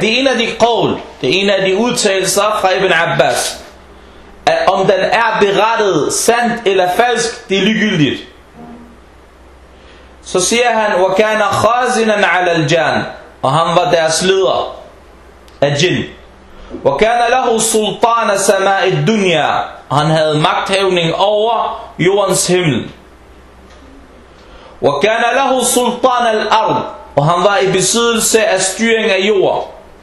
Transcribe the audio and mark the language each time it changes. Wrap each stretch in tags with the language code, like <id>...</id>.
<da>Det er en af de qawl, det er en af de udtalelser fra Ibn Abbas. At om den er berettet, sandt eller falsk, det er ligegyldigt. Så siger han,</da> <ar>wa kana khazinan ala al-jan.</ar> <da>Og han var deres leder af jinn.</da> <ar>وكان له سلطان سماء الدنيا.</ar> <da>Han havde magthævning over jordens himmel.</da> <ar>وكان له سلطان الارض.</ar> <da>Og han var i besiddelse af styring af jord.</da>